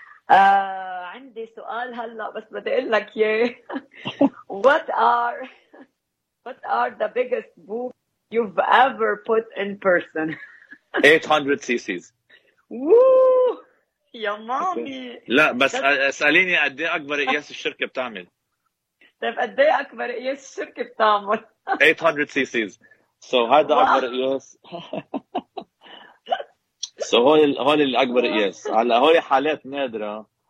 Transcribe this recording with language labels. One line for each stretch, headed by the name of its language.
Arabic: عندي سؤال هلا بس بدي اقول لك ياه.
English: What are the biggest boob you've ever put in person? 800 cc's.
Arabic: Woo! يا مامي. لا بس اسأليني قد ايه اكبر قياس الشركة بتعمل. طيب قد ايه اكبر قياس الشركة بتعمل؟
English: 800 cc's.
Arabic: So هذا اكبر قياس. So هول الاكبر قياس. هلا هول حالات نادرة.